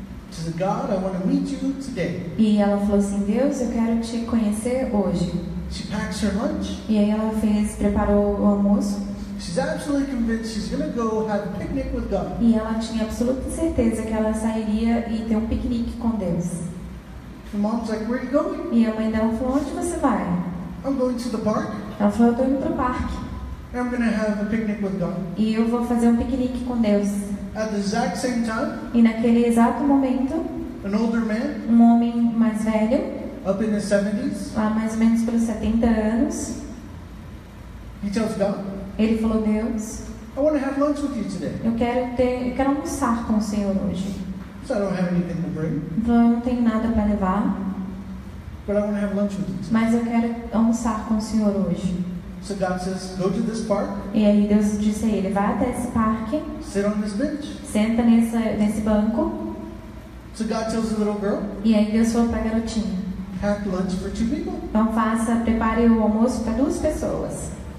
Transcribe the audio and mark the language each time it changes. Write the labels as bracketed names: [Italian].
[English] She said, God, I want to meet you today. [Portuguese] E ela falou assim, Deus, eu quero te conhecer hoje. [English] She packed her lunch. [Portuguese] E aí ela fez, preparou o almoço. [English] She's absolutely convinced she's gonna go have a picnic with God. [Portuguese] E ela tinha absoluta certeza que ela sairia e ter um piquenique com Deus. [English] The mom's like, where are you going? [Portuguese] E a mãe dela falou, onde você vai? [English] I'm going to the park. [Portuguese] Ela falou, eu tô indo pro parque. [English] And I'm gonna have a picnic with God. [Portuguese] E eu vou fazer um piquenique com Deus. [English] At the exact same time, [Portuguese] e naquele exato momento, [English] an older man, [Portuguese] um homem mais velho, [English] up in his 70s, [Portuguese] lá mais ou menos pelos 70 anos, [English] he tells God, [Portuguese] ele falou, Deus, [English] I want to have lunch with you today. [Portuguese] Eu quero almoçar com o Senhor hoje. [English] So I don't have anything to bring. [Portuguese] Então eu não tenho nada para levar. [English] But I want to have lunch with you today. [Portuguese] Mas eu quero almoçar com o Senhor hoje. [English] So God says, go to this park. [Portuguese] E aí Deus disse a ele, vai até esse parque. [English] Sit on this bench. [Portuguese] Senta nesse banco. [English] So God tells the little girl, [Portuguese] e aí Deus falou para a garotinha. [English] Pack lunch for two people. [Portuguese] Então prepare o almoço para duas pessoas.